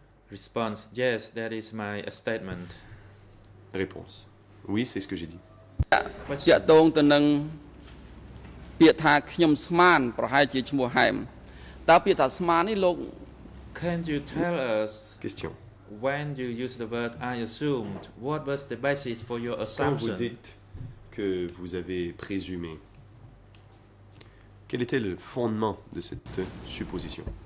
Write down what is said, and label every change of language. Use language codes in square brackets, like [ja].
[en] Response. Yes, that is my statement. [fr] Réponse. Oui, c'est ce que j'ai dit. [en] Question. Tout d'un pied à Kim Sman, Prohajich Mohaim. Tapit à Smani, look. Can you tell us? Question. When you use the word I assumed, what was the basis for your assumption? [fr] Quand vous dites que vous avez présumé, quel était le fondement de cette supposition?